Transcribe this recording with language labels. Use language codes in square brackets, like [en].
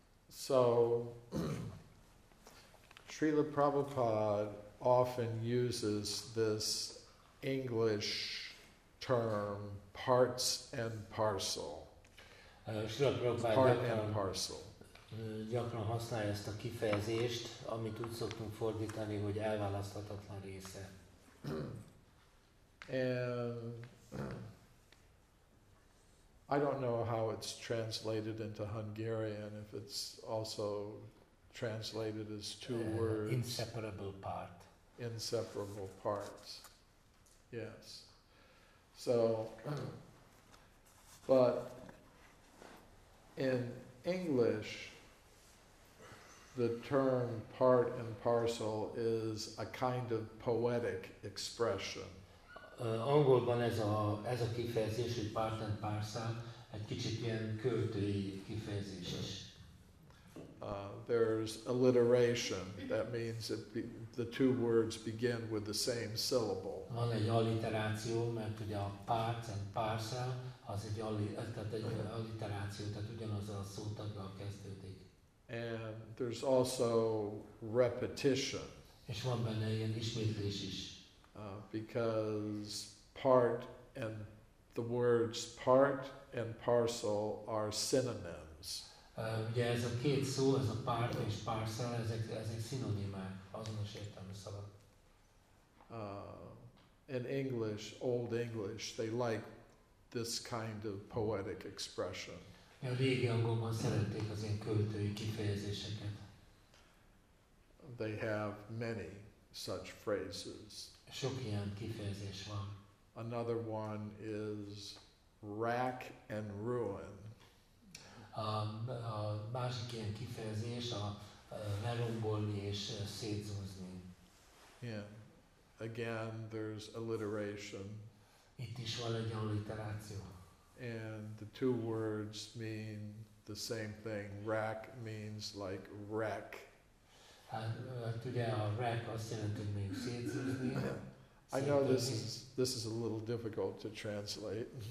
[en] So, Srila Prabhupada often uses this English term, parts and parcel. Srila Prabhupada part [hu] gyakran, [en] and parcel. [hu] Gyakran használja ezt a kifejezést, amit úgy szoktunk fordítani, hogy elválaszthatatlan része. [en] And I don't know how it's translated into Hungarian, if it's also translated as two words. Inseparable part. Inseparable parts. Yes. So, but in English, the term part and parcel is a kind of poetic expression. [hu] Angolban ez a kifejezés, hogy part and parcel, egy kicsit ilyen költői kifejezés is. [en] There's alliteration. That means that the two words begin with the same syllable. [hu] Van egy alliteráció, mert ugye a part and parcel az egy alliteráció, tehát ugyanaz a szótaggal kezdődik. [en] And there's also repetition. [hu] És van benne ilyen ismétlés is. [en] Because part and the words part and parcel are synonyms. [hu] Ugye ez a két szó, ez a part és parcel, ezek szinonimák, azonos értelmű szavak. [en] in English, old English, they like this kind of poetic expression. [hu] A régi angolban szerették az ilyen költői kifejezéseket. [en] They have many such phrases. [hu] Sok ilyen kifejezés van. [en] Another one is rack and ruin. [hu] A másik ilyen kifejezés a lerombolni és szétzúzni. [en] Yeah. Again, there's alliteration. [hu] Itt is van egy alliteráció. [en] And the two words mean the same thing. Rack means like wreck. I know this is a little difficult to translate.